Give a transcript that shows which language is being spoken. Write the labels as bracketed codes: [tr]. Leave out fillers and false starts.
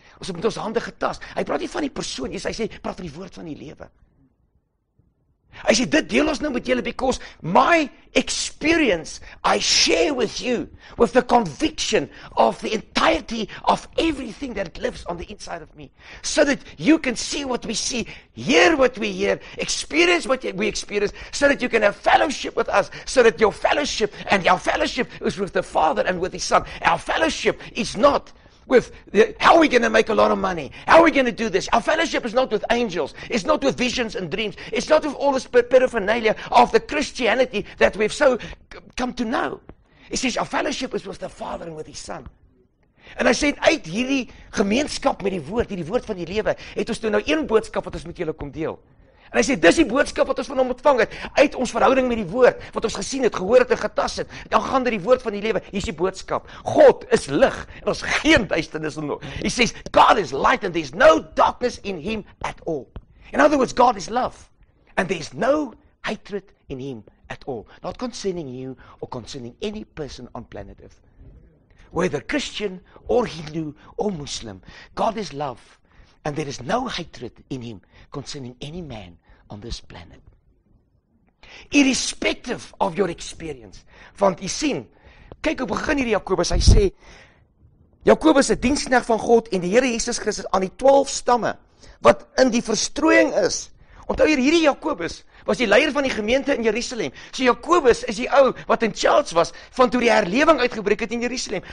[af] ons met ons handen getast. Hij praat niet van die persoon, hij sê, praat van die woord van die leven. Hy sê, dit deel ons nou met julle, [en] because my experience, I share with you, with the conviction of the entirety of everything that lives on the inside of me, so that you can see what we see, hear what we hear, experience what we experience, so that you can have fellowship with us, so that your fellowship, and our fellowship is with the Father and with the Son. Our fellowship is not with the, how are we going to make a lot of money? How are we going to do this? Our fellowship is not with angels. It's not with visions and dreams. It's not with all this paraphernalia of the Christianity that we've so come to know. He says, our fellowship is with the Father and with His Son. And I said, [af] uit hierdie gemeenskap met die woord van die lewe, het ons toe nou een boodskap wat ons met julle kom deel. En hy sê, dis die boodskap wat ons van hom ontvang het, uit ons verhouding met die woord, wat ons gesien het, gehoor het en getast het, dan gaan die woord van die lewe, hier is die boodskap, God is lig, en ons geen duisternis in hom. [en] He says, God is light and there's no darkness in him at all. In other words, God is love, and there's no hatred in him at all. Not concerning you, or concerning any person on planet Earth. Whether Christian, or Hindu, or Muslim, God is love. And there is no hatred in him concerning any man on this planet. Irrespective of your experience. [af] Want jy sien, kyk hoe begin hier Jakobus, hy sê, Jakobus is 'n diensknegt van God en die Here Jesus Christus aan die 12 stamme, wat in die verstrooiing is. Onthou hier Jakobus was die leier van die gemeente in Jerusalem. So Jakobus is die ou wat in charge was van toe die herlewing uitgebreek het in Jerusalem.